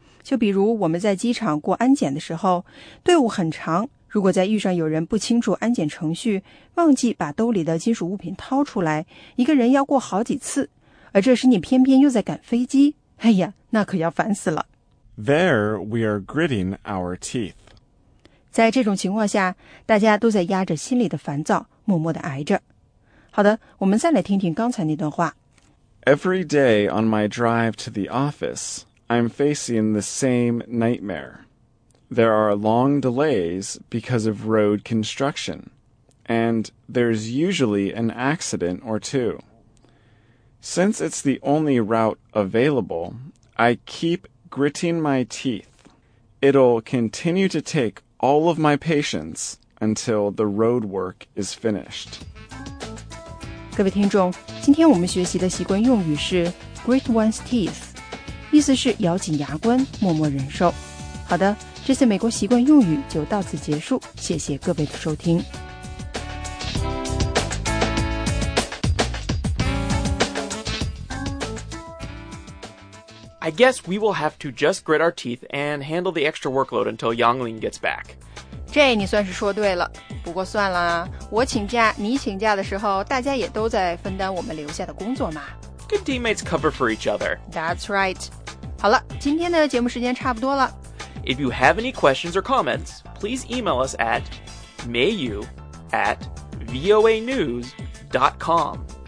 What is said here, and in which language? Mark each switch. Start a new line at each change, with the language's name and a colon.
Chinese: 就比如我们在机场过安检的时候，队伍很长，如果再遇上有人不清楚安检程序，忘记把兜里的金属物品掏出来，一个人要过好几次，而这时你偏偏又在赶飞机，哎呀，那可要烦死了。
English: There we are gritting our teeth.
Chinese: 在这种情况下，大家都在压着心里的烦躁，默默地挨着。好的，我们再来听听刚才那段话。
English: Every day on my drive to the office, I'm facing the same nightmare. There are long delays because of road construction, and there's usually an accident or two. Since it's the only route available, I keep gritting my teeth. It'll continue to take all of my patience until the road work is finished.
Chinese: 各位听众，今天我们学习的习惯用语是
English: grit one's teeth，
Chinese: 意思是咬紧牙关，默默忍受。好的，这次美国习惯用语就到此结束，谢谢各位的收听。
English: I guess we will have to just grit our teeth and handle the extra workload until Yangling gets back.
Chinese: 这你算是说对了，不过算了啊，我请假你请假的时候，大家也都在分担我们留下的工作嘛。
English: Good teammates cover for each other. That's right.
Chinese: 好了，今天的节目时间差不多了。
English: If you have any questions or comments, please email us at mayu@voanews.com.